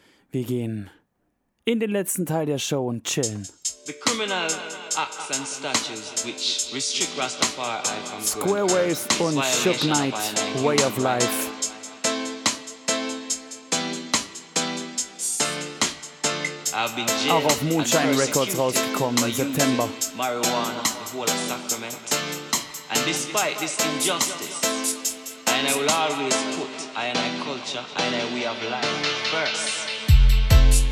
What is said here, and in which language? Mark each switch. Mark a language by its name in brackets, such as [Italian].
[German] Wir gehen in den letzten Teil der Show und chillen. [English] The criminal acts and statutes which restrict Rastafari from Square Wave und Shook Knight Way of Life. I've been [German] auch auf Moonshine Records rausgekommen im September. [English] Marijuana, the holy sacrament. And despite this injustice, and I will always put I and I culture, I and I way of life first.